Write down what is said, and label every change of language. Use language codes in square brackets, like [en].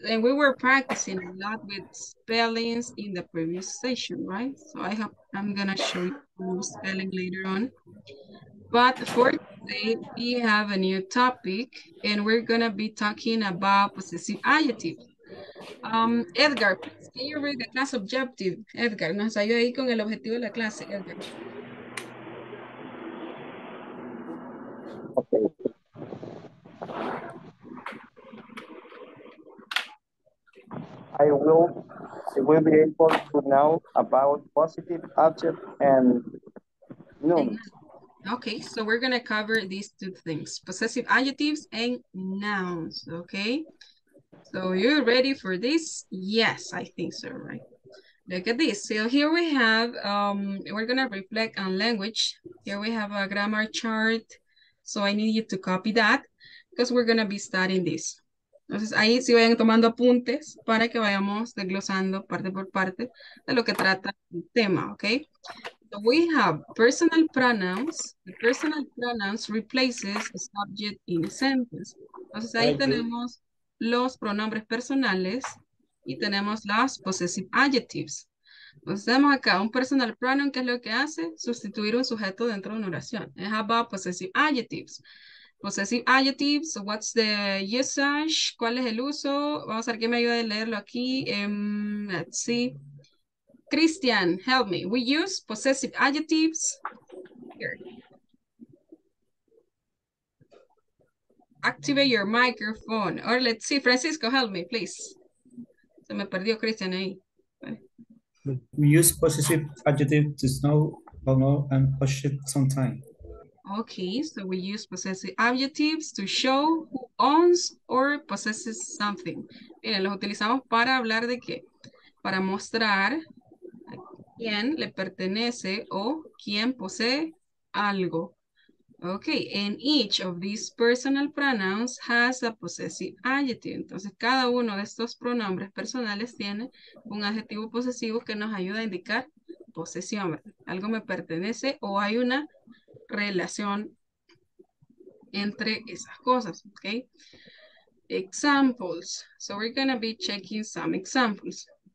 [en] And we were practicing a lot with spellings in the previous session, right? So I'm gonna show you more spelling later on. But for today, we have a new topic and we're gonna be talking about possessive adjectives. Edgar, please, can you read the class objective? [es] Edgar, nos ayuda ahí con el objetivo de la clase, Edgar. [en] Okay. I will be able to know about positive adjectives and nouns. Okay, so we're gonna cover these two things, possessive adjectives and nouns, okay? So you ready for this? Yes, I think so, right? Look at this, so here we have, we're gonna reflect on language. Here we have a grammar chart, so I need you to copy that because we're gonna be studying this. [es] Entonces, ahí sí vayan tomando apuntes para que vayamos desglosando parte por parte de lo que trata el tema, okay? [en] So we have personal pronouns. The personal pronouns replaces the subject in a sentence. [es] Entonces, ahí tenemos los pronombres personales y tenemos las possessive adjectives. Entonces, tenemos acá un personal pronoun, ¿qué es lo que hace? Sustituir un sujeto dentro de una oración. [en] It's about possessive adjectives. Possessive adjectives, what's the usage? [es] ¿Cuál es el uso? Vamos a ver quién me ayuda a leerlo aquí. [en] Let's see. Christian, help me. We use possessive adjectives here. Activate your microphone. Or let's see, Francisco, help me, please. [es] Se me perdió Christian ahí. [en] We use possessive adjectives to know, know, and push it sometime. Okay, so we use possessive adjectives to show who owns or possesses something. [es] Miren, los utilizamos para hablar de qué. Para mostrar a quién le pertenece o quién posee algo. [en] Okay, and each of these personal pronouns has a possessive adjective. [es] Entonces, cada uno de estos pronombres personales tiene un adjetivo posesivo que nos ayuda a indicar posesión. Algo me pertenece o hay una relación entre esas cosas, okay? [en] Examples. So we're gonna be checking some examples.